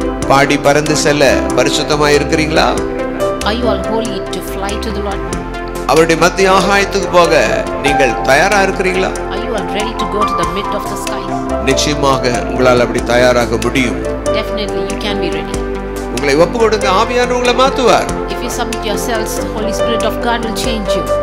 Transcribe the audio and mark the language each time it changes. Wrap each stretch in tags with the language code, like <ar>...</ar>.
<ta>பாடி பறந்து செல்ல பரிசுத்தமாய் இருக்கிறீங்களா?</ta> <en>Are you all holy to fly to the Lord?</en> <ta>அவருடைய மத்திய ஆகாயத்துக்கு போக நீங்கள் தயாரா இருக்கிறீங்களா?</ta> <en>Are you all ready to go to the mid of the sky?</en> <ta>நிச்சயமாக உங்களால் அப்படி தயாராக முடியும்.</ta> <en>Definitely you can be ready.</en> <ta>உங்களை ஒப்பு கொடுங்க, ஆவியானவர் உங்களை மாற்றுவார்.</ta> <en>If you submit yourselves, the Holy Spirit of God will change you.</en>